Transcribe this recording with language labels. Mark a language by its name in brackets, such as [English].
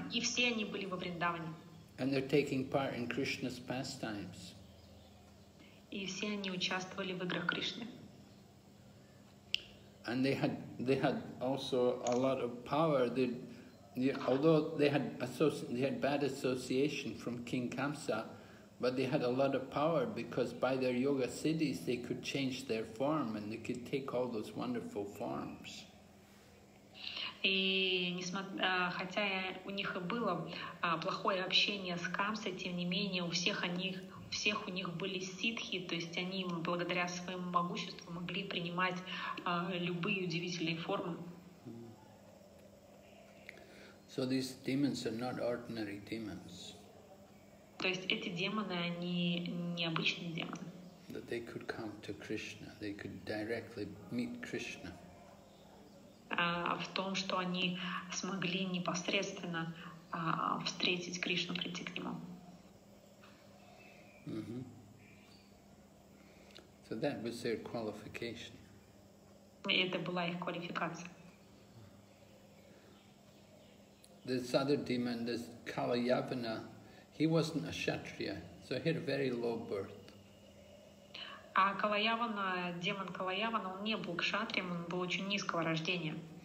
[Russian] И все они были во Вриндаване. [English] And they're taking part in Krishna's pastimes. [Russian] И все они участвовали в играх Кришны. [English] And they had also a lot of power. Although they had bad association from King Kamsa, But they had a lot of power because by their yoga siddhis they could change their form and they could take all those wonderful forms. [Russian] И хотя у них и было плохое общение с Камсой, тем не менее у всех у них были сиддхи, то есть они благодаря своему могуществу могли принимать любые удивительные формы. [English] So these demons are not ordinary demons. [Russian] То есть эти демоны, они не обычные демоны. [English] That they could come to Krishna, they could directly meet Krishna. [Russian] В том, что они смогли непосредственно встретить Кришну, прийти к нему. Mm-hmm. [English] So that was their qualification. [Russian] И это была их квалификация. [English] This other demon, this Kalayavana, he wasn't a Kshatriya, so he had a very low birth. [Russian] А Калаявана, демон Калаявана, он не был кшатрием, он был очень низкого рождения.